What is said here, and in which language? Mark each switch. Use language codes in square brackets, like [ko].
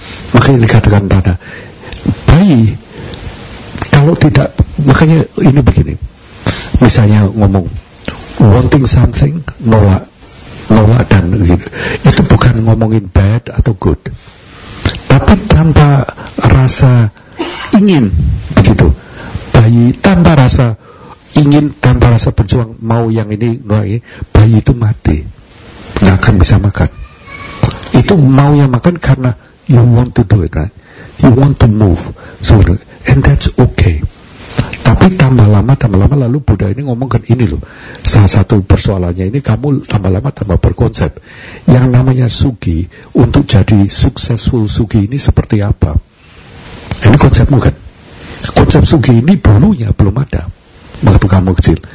[id] Makanya dikatakan tanda bayi kalau tidak, makanya ini begini, misalnya ngomong wanting something, nolak dan gitu, itu bukan ngomongin bad atau good, tapi tanpa rasa ingin begitu. Bayi tanpa rasa ingin, tanpa rasa berjuang, mau yang ini, nolak ini, bayi itu mati, gak akan bisa makan. Itu mau yang makan karena [en] you want to do it, right? You want to move, so, and that's okay. [id] Tapi tambah lama, lalu Buddha ini ngomongkan ini loh, salah satu persoalannya ini, kamu tambah lama tambah berkonsep. Yang namanya sugi, untuk jadi successful sugi ini seperti apa? Ini konsepmu kan? Konsep sugi ini dulunya belum ada waktu kamu kecil.